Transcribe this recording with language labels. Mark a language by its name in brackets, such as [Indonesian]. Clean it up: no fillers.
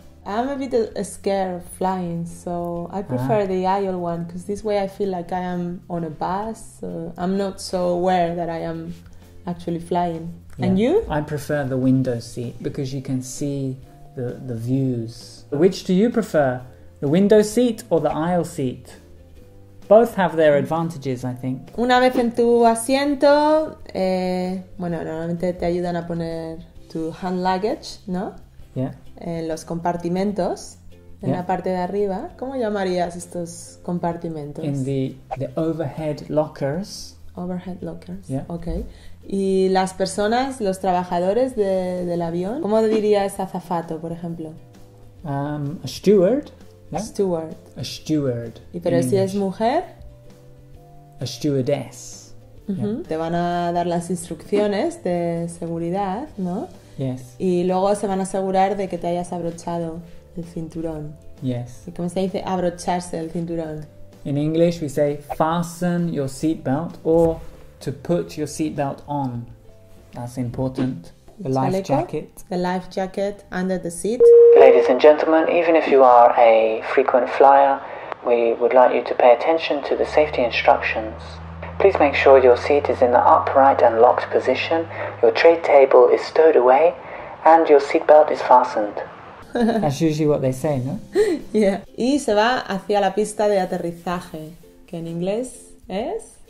[English] I'm a bit scared of flying, so I prefer the aisle one, because this way I feel like I am on a bus. I'm not so aware that I am actually flying. Yeah. And you? I prefer the window seat, because you can see the views. Which do you prefer, the window seat or the aisle seat? Both have their advantages, I think. [Spanish] Una vez en tu asiento, bueno, normalmente te ayudan a poner tu [English] hand luggage, [Spanish] ¿no? [English] Yeah. [Spanish] En los compartimentos, en la parte de arriba. ¿Cómo llamarías estos compartimentos? [English] In the overhead lockers. Overhead lockers, yeah. Ok. [Spanish] Y las personas, los trabajadores del avión, ¿cómo dirías azafato, por ejemplo? [English] A steward. Yeah? Steward. A steward. [Spanish] ¿Y pero si es mujer? [English] A stewardess. Uh-huh. Yeah. [Spanish] Te van a dar las instrucciones de seguridad, ¿no? [English] Yes. [Spanish] Y luego se van a asegurar de que te hayas abrochado el cinturón. [English] Yes. [Spanish] ¿Y cómo se dice abrocharse el cinturón? [English] In English we say fasten your seatbelt or to put your seatbelt on. That's important. The life jacket. The life jacket under the seat. Ladies and gentlemen, even if you are a frequent flyer, we would like you to pay attention to the safety instructions. Please make sure your seat is in the upright and locked position, your tray table is stowed away, and your seatbelt is fastened. That's usually what they say, no? Yeah. [Spanish] Y se va hacia la pista de aterrizaje, que en inglés es...